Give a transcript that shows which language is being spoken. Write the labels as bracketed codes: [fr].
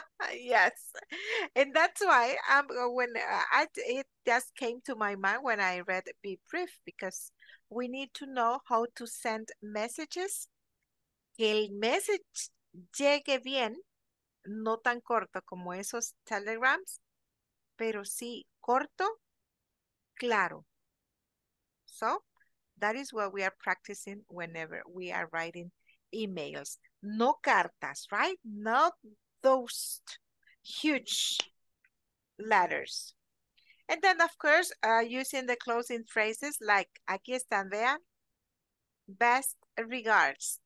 [en] Yes, and that's why it just came to my mind when I read Be Brief, because we need to know how to send messages. [es] Que el message llegue bien, no tan corto como esos telegrams, pero sí corto, claro. [en] So, that is what we are practicing whenever we are writing emails. [es] No cartas, [en] right? Not those huge letters. And then, of course, using the closing phrases like, [es] aquí están, vean, [en] best regards.